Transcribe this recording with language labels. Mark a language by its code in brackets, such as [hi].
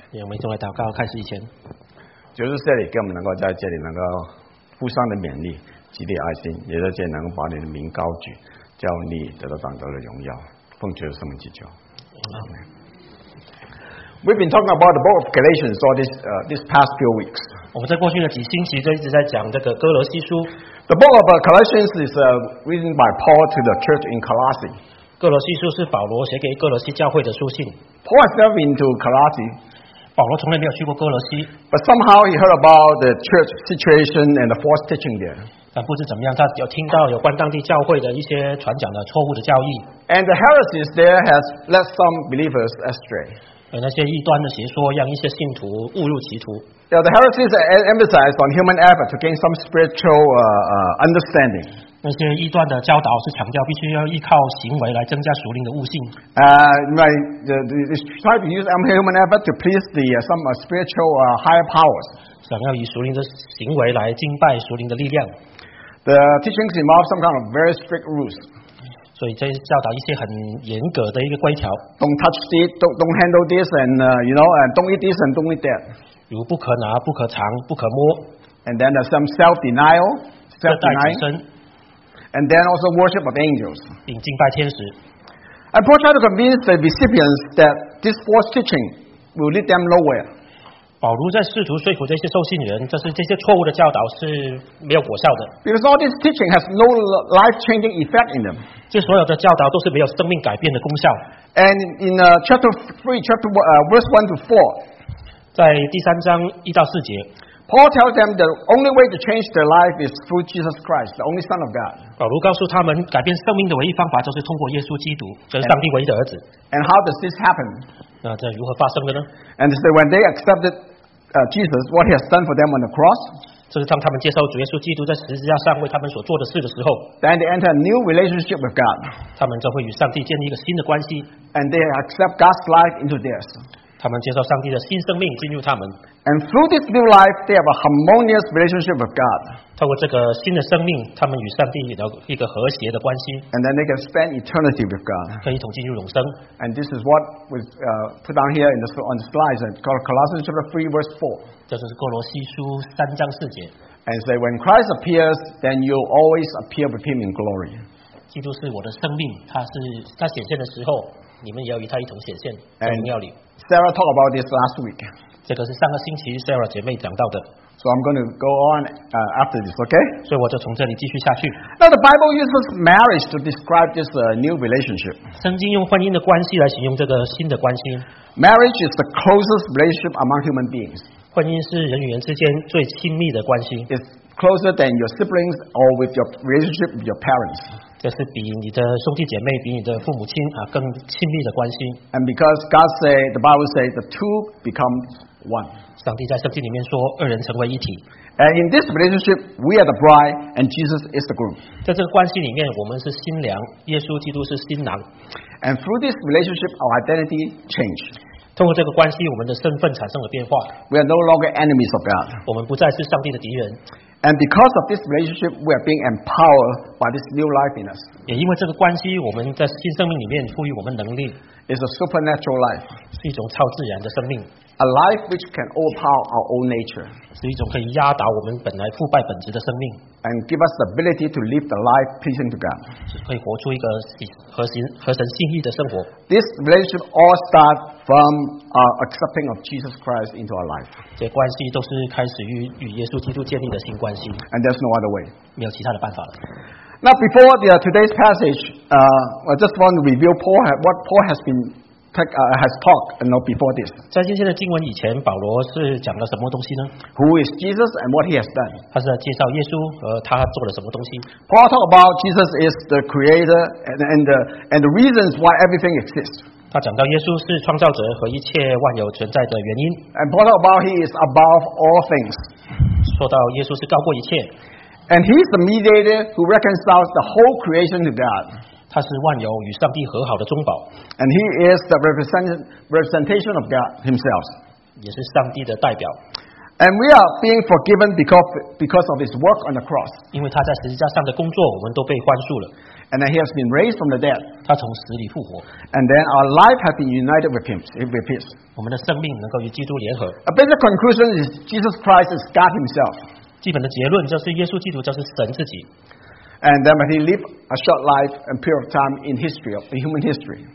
[zh] 我们正在祷告开始以前。就是这里跟我们能够在这里能够互相的勉励，激励爱心，也在这里能够把你的名高举，叫你得到长久的荣耀。奉主的圣名祈求。 [en] Amen. We've been talking about the book of Galatians all these past few weeks. [zh] 我们在过去的几星期就一直在讲这个哥罗西书。 [en] The book of Galatians is written by Paul to the church in Colossae. [zh] 哥罗西书是保罗写给哥罗西教会的书信。 [en] Paul has never been to Colossae. [zh] 保罗从来没有去过哥罗西。 [en] But somehow he heard about the church situation and the false teaching there. [zh] 但不知怎么样，他有听到有关当地教会的一些传讲的错误的教义。 [en] And the heresies there has led some believers astray. [zh] 那些异端的邪说让一些信徒误入歧途。 [en] Yeah, the heresies emphasized on human effort to gain some spiritual understanding. [zh] 那些异端的教导是强调必须要依靠行为来增加属灵的悟性。 [en] Try to use human effort to please some spiritual higher powers. [zh] 想要以属灵的行为来敬拜属灵的力量。 [en] The teachings involve some kind of very strict rules. [zh] 所以这教导一些很严格的一个规条。 [en] Don't touch this, don't handle this, and don't eat this, and don't eat that. [zh] 如不可拿，不可尝，不可摸。 [en] And then some self-denial. And then also worship of angels. [zh] 并敬拜天使。 [en] And Paul tried to convince the recipients that this false teaching will lead them nowhere. [zh] 保罗在试图说服这些受信人，就是这些错误的教导是没有果效的。 [en] Because all this teaching has no life-changing effect in them. [zh] 这所有的教导都是没有生命改变的功效。 [en] And in chapter 3, chapter verse 1 to 4, [zh] 在第三章一到四节 [en] ，Paul tells them the only way to change their life is through Jesus Christ, the only Son of God. [zh] 保罗告诉他们，改变生命的唯一方法就是通过耶稣基督，就是上帝唯一的儿子。 [en] And how does this happen? [zh] 那这如何发生的呢 [en] ？And they say when they accepted Jesus, what he has done for them on the cross. [zh] 就是当他们接受主耶稣基督在十字架上为他们所做的事的时候 [en] ，then they enter a new relationship with God. [zh] 他们就会与上帝建立一个新的关系 [en] ，and they accept God's life into theirs. [zh] 他们接受上帝的新生命进入他们 [en] ，and through this new life, they have a harmonious relationship with God. [zh] 透过这个新的生命，他们与上帝有一个和谐的关系 [en] ，and then they can spend eternity with God. [zh] 可以一同进入永生 [en] ，and this is what was put down here in the on the slides and called Colossians chapter 3 verse 4. [zh] 这就是哥罗西书三章四节。 [en] And say when Christ appears, then you always appear with him in glory. [zh] 基督是我的生命，他显现的时候，你们也要与他一同显现在荣耀里。 [en] Sarah talked about this last week. [zh] 这个是上个星期 Sarah 姐妹讲到的。 [en] So I'm going to go on after this, okay? [zh] 所以我就从这里继续下去。 [en] Now the Bible uses marriage to describe this new relationship. [zh] 圣经用婚姻的关系来形容这个新的关系。 [en] Marriage is the closest relationship among human beings. [zh] 婚姻是人与人之间最亲密的关系。 [en] It's closer than your siblings or with your relationship with your parents. [zh] 这是比你的兄弟姐妹、比你的父母亲啊更亲密的关系。 [en] And because God say, the Bible say, the two become one. [zh] 上帝在圣经里面说，二人成为一体。 [en] And in this relationship, we are the bride, and Jesus is the groom. [zh] 在这个关系里面，我们是新娘，耶稣基督是新郎。 [en] And through this relationship, our identity changed. [zh] 通过这个关系，我们的身份产生了变化。 [en] We are no longer enemies of God. [zh] 我们不再是上帝的敌人。 [en] And because of this relationship, we are being empowered by this new life in us. [zh] 也因为这个关系，我们在新生命里面赋予我们能力。 [en] It's a supernatural life. [zh] 是一种超自然的生命。 [en] A life which can overpower our own nature. [zh] 是一种可以压倒我们本来腐败本质的生命。 [en] And give us the ability to live the life pleasing to God. [zh] 是可以活出一个合神心意的生活。 [en] This relationship all starts from our accepting of Jesus Christ into our life. [zh] 这关系都是开始于与耶稣基督建立的新关系。 [en] And there's no other way. [zh] 没有其他的办法了。 [en] Now before today's passage, I just want to review what Paul has been has talked before this. [zh] 在今天的经文以前，保罗是讲了什么东西呢 [en] ？Who is Jesus and what he has done? [zh] 他是在介绍耶稣和他做了什么东西。 [en] Paul talked about Jesus is the creator and the reasons why everything exists. [zh] 他讲到耶稣是创造者和一切万有存在的原因。 [en] And Paul talked about he is above all things. [zh] 说到耶稣是高过一切。 [en] And he is the mediator who reconciles the whole creation to God. [zh] 他是万有与上帝和好的中保。 [en] And he is the representation of God himself. [zh] 也是上帝的代表。 [en] And we are being forgiven because of his work on the cross. [zh] 因为他在十字架上的工作，我们都被宽恕了。 [en] And then he has been raised from the dead. [zh] 他从死里复活。 [en] And then our life has been united with him, with his. [zh] 我们的生命能够与基督联合。 [en] A basic conclusion is Jesus Christ is God himself. [zh] 基本的结论就是耶稣基督就是神自己。 [en] And then when he lived a short life and period of time in history, in human history.